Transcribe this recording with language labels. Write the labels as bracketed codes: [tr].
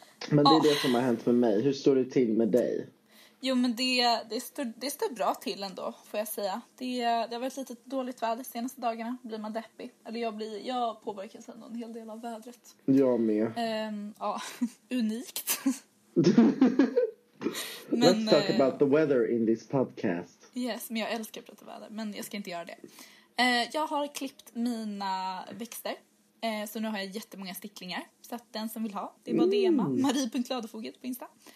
[sv] Men det är det som har hänt med mig. Hur står det till med dig? Jo, men det står bra till ändå, får jag säga. Det har varit lite dåligt väder de senaste dagarna. Blir man deppig. Eller jag påverkas ändå en hel del av vädret. Jag med. Ja, unikt. [en] Men, let's talk about the weather in this podcast. [sv] Yes, men jag älskar att prata väder. Men jag ska inte göra det. Jag har klippt mina växter. Så nu har jag jättemånga sticklingar. Så att den som vill ha, det är bara DM. Marie.ladofoget på Insta.